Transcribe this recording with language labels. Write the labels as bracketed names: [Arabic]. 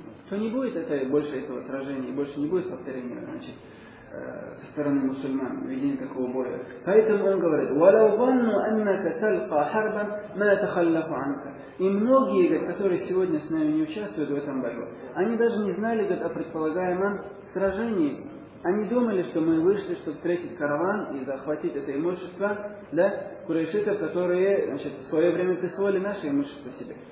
[Russian] То не будет это, больше этого сражения, больше не будет повторения, значит, со стороны мусульман, ведения такого боя. Поэтому он говорит, [Arabic] وَلَوْ ظَنُّ أَنَّكَ تَلْقَى حَرْبًا مَا تَخَلَّفُ عَنْكَ. [Russian] И многие, говорят, которые сегодня с нами не участвуют в этом бою, они даже не знали, говорят, о предполагаемом сражении. Они думали, что мы вышли, чтобы встретить караван и захватить это имущество, да, курайшитов, которые, значит, в свое время присвоили наше имущество себе.